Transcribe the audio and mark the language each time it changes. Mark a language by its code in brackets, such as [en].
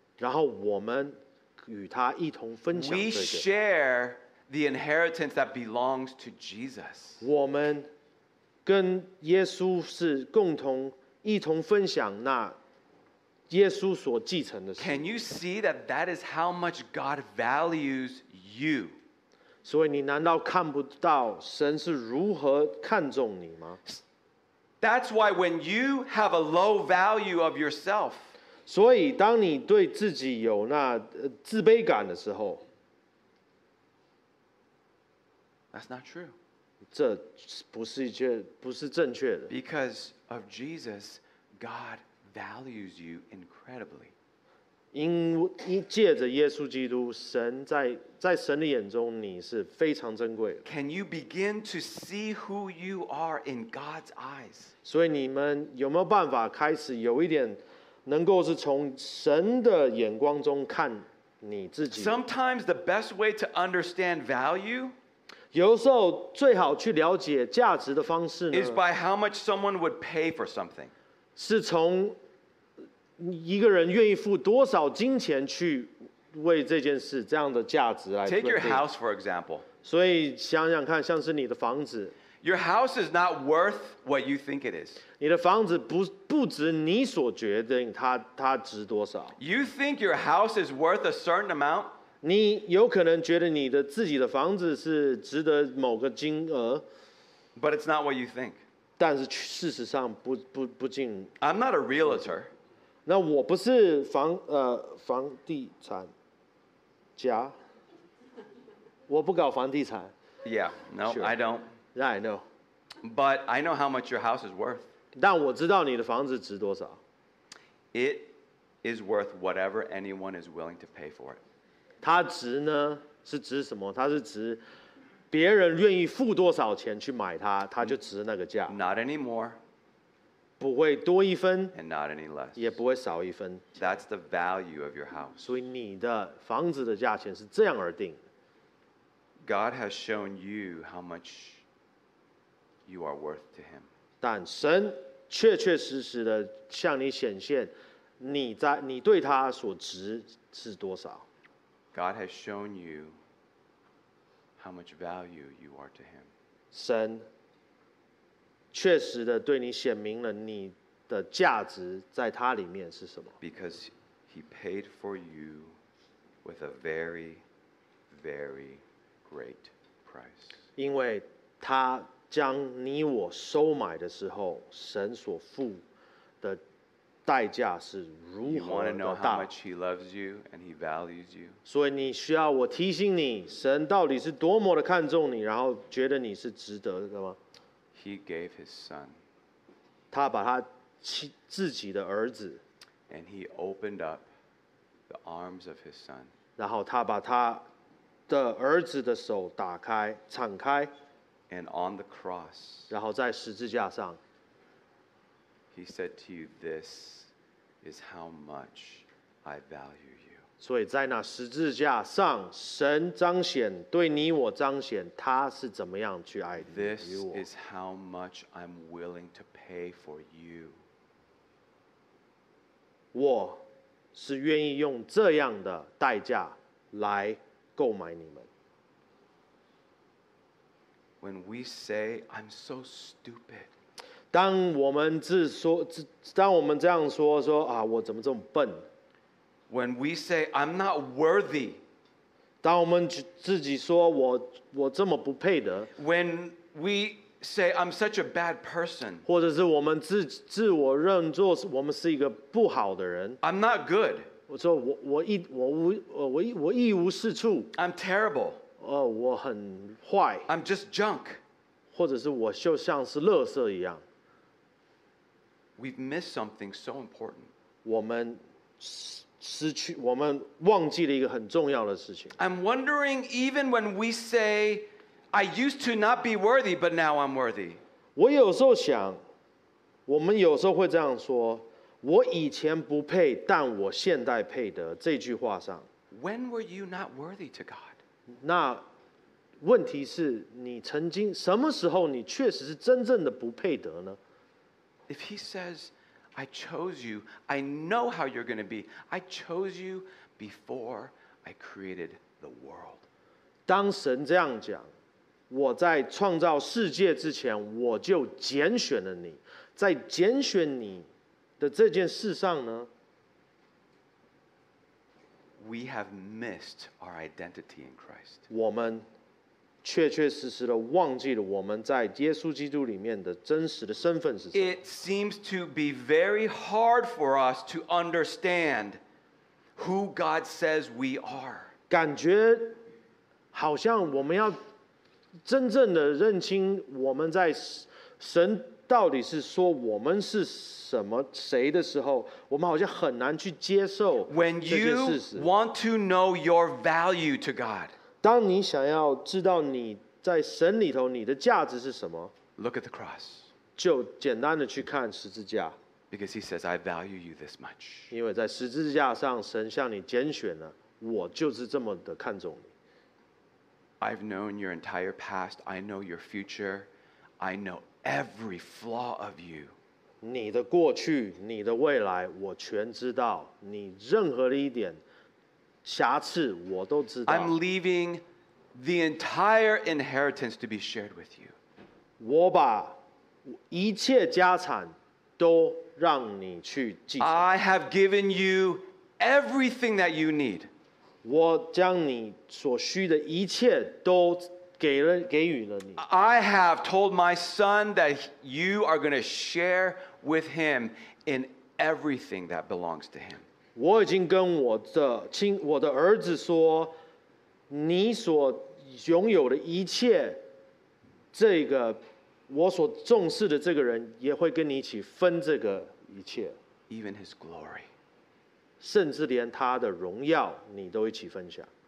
[zh] 然后我们与他一同分享这个。 [en] We share the inheritance that belongs to Jesus. [zh] 我们跟耶稣是共同一同分享那耶稣所继承的事。 [en] Can you see that that is how much God values you? [zh] 所以你难道看不到神是如何看重你吗？ [en] That's why when you have a low value of yourself, [zh] 所以当你对自己有那自卑感的时候， [en] That's not true. [zh] 这不是一件不是正确的。 [en] Because of Jesus, God values you incredibly. [zh] 因借着耶稣基督，神在神的眼中你是非常珍贵的。 [en] Can you begin to see who you are in God's eyes? [zh] 所以你们有没有办法开始有一点能够是从神的眼光中看你自己 [en] ？Sometimes the best way to understand value. [zh] 有时候最好去了解价值的方式呢 [en] is by how much someone would pay for something. [zh] 是从一个人愿意付多少金钱去为这件事这样的价值来 [en] Take your house for example. [zh] 所以想想看像是你的房子 [en] Your house is not worth what you think it is. [zh] 你的房子 不值你所决定 它值多少 [en] You think your house is worth a certain amount? [zh] 你有可能觉得你的自己的房子是值得某个金额 [en] ，But it's not what you think. [zh] 但是事实上不尽。 [en] I'm not a realtor. [zh] 那我不是房地产家，我不搞房地产。 [en] Yeah, no,、 sure. I don't. Yeah, I know. But I know how much your house is worth. [zh] 但我知道你的房子值多少。 [en] It is worth whatever anyone is willing to pay for it. [zh] 它值呢是值什么？它是值别人愿意付多少钱去买它，它就值那个价。 [en] Not anymore， [zh] 不会多一分 [en] ，and not any less， [zh] 也不会少一分。 [en] That's the value of your house。 [zh] 所以你的房子的价钱是这样而定。 [en] God has shown you how much you are worth to Him。 [zh] 但神确确实实的向你显现，你对他所值是多少。 [en] God has shown you how much value you are to Him. [zh] 神确实的对你显明了你的价值在他里面是什么。 [en] Because He paid for you with a very, very great price. [zh] 因为他将你我收买的时候，神所付的代价是如何的大。 [en] You want to know how much He loves you and He values you. [zh] 所以你需要我提醒你，神到底是多么的看重你，然后觉得你是值得的吗？ [en] He gave His Son. [zh] 他把他自己的儿子。 [en] And He opened up the arms of His Son. [zh] 然后他把他的儿子的手打开，敞开。 [en] And on the cross. [zh] 然后在十字架上。 [en] He said to you, "This is how much I value you." [zh] 所以在那十字架上，神彰显对你我彰显他是怎么样去爱你。 [en] This is how much I'm willing to pay for you. [zh] 我是愿意用这样的代价来购买你们。 [en] When we say, "I'm so stupid." [zh] 当我们这样说说啊，我怎么这么笨 [en] ？When we say I'm not worthy， [zh] 当我们自己说我这么不配得 [en] ，When we say I'm such a bad person， [zh] 或者是我们自我认作我们是一个不好的人 [en] ，I'm not good， [zh] 我说我一无是处 [en] ，I'm terrible， [zh] 我很坏 [en] ，I'm just junk， [zh] 或者是我就像是垃圾一样。 [en] We've missed something so important. [zh] 我们失去，我们忘记了一个很重要的事情。 [en] I'm wondering, even when we say, "I used to not be worthy, but now I'm worthy." [zh] 我有时候想，我们有时候会这样说：“我以前不配，但我现在配得。” 这句话上。 [en] When were you not worthy to God? [zh] 那问题是你曾经什么时候你确实是真正的不配得呢？ [en] If He says, "I chose you, I know how you're going to be. I chose you before I created the world." [zh] 当神这样讲，我在创造世界之前，我就拣选了你。在拣选你的这件事上呢， [en] We have missed our identity in Christ. [zh] 我们确确实实的忘记了我们在耶稣基督里面的真实的身份是什么。 [en] It seems to be very hard for us to understand who God says we are. [zh] 感觉好像我们要真正的认清我们在神到底是说我们是什么谁的时候，我们好像很难去接受这件事实。 [en] When you want to know your value to God, [zh] 当你想要知道你在神里头你的价值是什么， [en] Look at the cross, [zh] 就简单的去看十字架。 [en] Because he says, I value you this much. [zh] 因为在十字架上神向你拣选了，我就是这么的看重你。 [en] I've known your entire past. I know your future. I know every flaw of you. [zh] 你的过去，你的未来，我全知道。你任何的一点瑕疵，我都知道。 [en] I'm leaving the entire inheritance to be shared with you. [zh] 我把一切家产都让你去继承。 [en] I have given you everything that you need. [zh] 我将你所需的一切都给予了你。 [en] I have told my son that you are going to share with him in everything that belongs to him. [zh] 我已经跟我的儿子说，你所拥有的一切，这个我所重视的这个人也会跟你一起分这个一切。 [en] Even his glory. [zh] 甚至连他的荣耀，你都一起分享。